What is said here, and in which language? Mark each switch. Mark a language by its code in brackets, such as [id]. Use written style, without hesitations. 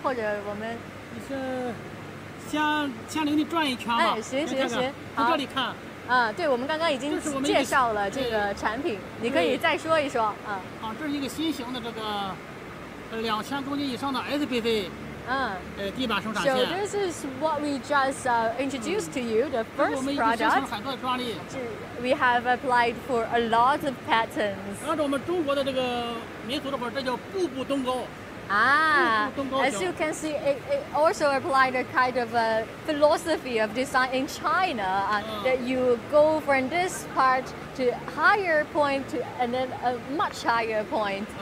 [zh] 或者我们你是先领你转一圈吧。哎，行，看这里看。啊，对，我们刚刚已经介绍了这个产品，你可以再说一说。好，这是一个新型的这个2000公斤以上的 SPC。 [en] So this is what we just introduced to you, the first product. We have applied for a lot of patents. [zh] 按照我们中国的这个民族的话，这叫步步登高。 [en] As you can see, it also applied a kind of a philosophy of design in China, that you go from this part to higher point to, and then a much higher point.